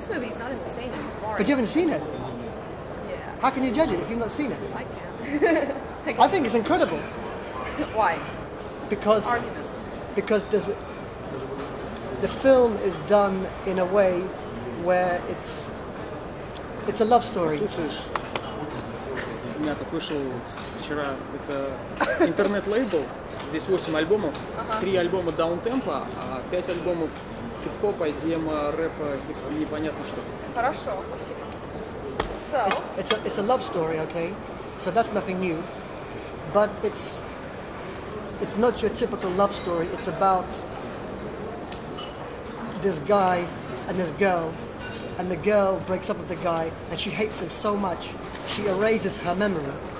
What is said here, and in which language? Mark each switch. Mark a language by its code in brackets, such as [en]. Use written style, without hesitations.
[en] So this movie is not entertaining. It's boring. But you haven't seen it. Yeah. How can you judge it if you've not seen it? I can. I think it's incredible. Why? Because. Arguments. Because there's the film is done in a way. Where it's a love story. [ru] Слушаешь, у меня так вышел вчера, это интернет-лейбл, здесь 8 альбомов, 3 альбома даунтемпа, а 5 альбомов хип-хопа, демо, рэпа, непонятно что. Хорошо, спасибо. So. [en] It's a love story, okay? So that's nothing new, but it's not your typical love story, it's about this guy and this girl. And the girl breaks up with the guy, and she hates him so much, she erases her memory.